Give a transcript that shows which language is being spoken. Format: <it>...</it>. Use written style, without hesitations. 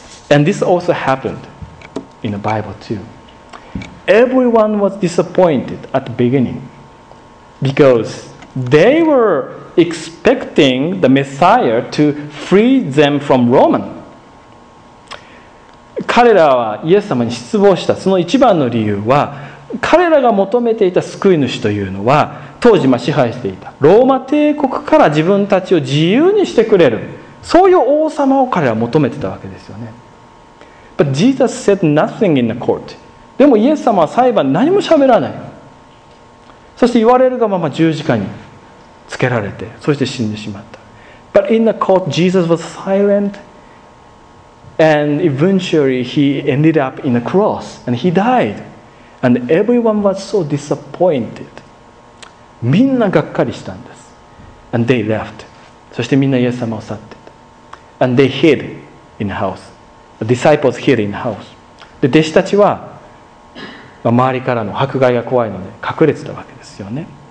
<en>And this also happened in the Bible too. everyone was disappointed at the beginning because they were expecting the Messiah to free them from Roman.</en> <ja>彼らはイエス様に失望した。その一番の理由は、彼らが求めていた救い主というのは、当時支配していたローマ帝国から自分たちを自由にしてくれる、そういう王様を彼らは求めてたわけですよね。</ja> <en>But Jesus said nothing in the court.</en> <ja>でもイエス様は裁判何も喋らない。そして言われるがまま十字架につけられて、そして死んでしまった。</ja> <en>But in the court, Jesus was silent. And eventually he ended up in a cross. And he died. And everyone was so disappointed.</en> <ja>みんながっかりしたんです。</ja> <en>And they left.</en> <ja>そしてみんなイエス様を去って。</ja> <en>And they hid in the house. The disciples hid in the house.</en> <ja>で、弟子たちは、周りからの迫害が怖いので隠れてたわけですよね。</ja>